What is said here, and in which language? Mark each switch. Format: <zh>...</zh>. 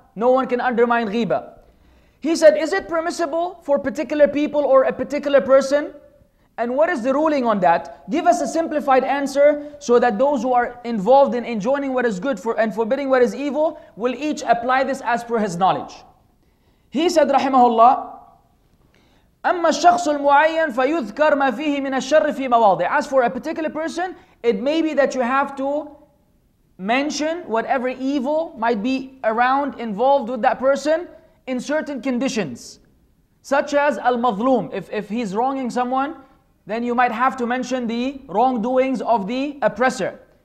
<en>No one can undermine ghiba. He said, is it permissible for particular people or a particular person? And what is the ruling on that? Give us a simplified answer so that those who are involved in enjoining what is good for and forbidding what is evil will each apply this as per his knowledge. He said, rahimahullah,</en> <ar>أَمَّا الشَّخْصُ الْمُعَيَّنُ فَيُذْكَرْ مَا فِيهِ مِنَ الشَّرِّ فِي مَوَاضِعِ.</ar> <en>As for a particular person, it may be that you have to mention whatever evil might be around, involved with that person in certain conditions, such as al-mazloom. If he's wronging someone, then you might have to mention the wrongdoings of the oppressor.</en>